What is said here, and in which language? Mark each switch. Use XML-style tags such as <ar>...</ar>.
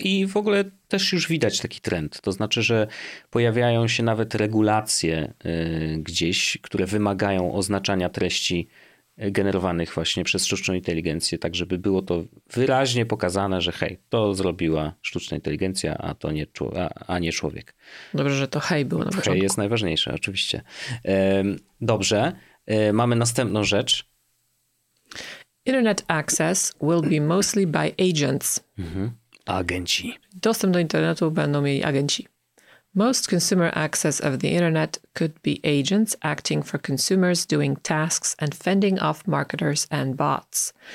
<pl>I w ogóle też już widać taki trend. To znaczy, że pojawiają się nawet regulacje gdzieś, które wymagają oznaczania treści generowanych właśnie przez sztuczną inteligencję, tak żeby było to wyraźnie pokazane, że hej, to zrobiła sztuczna inteligencja, a to nie, nie człowiek. Dobrze, że to hej było na początku. Hej jest najważniejsze, oczywiście. Dobrze, mamy następną rzecz.</pl> <en>Internet access will be mostly by agents.</en> <pl>Agenci. Dostęp do internetu będą mieli agenci.</pl> <en>Most consumer access of the internet could be agents acting for consumers doing tasks and fending off marketers and bots.</en>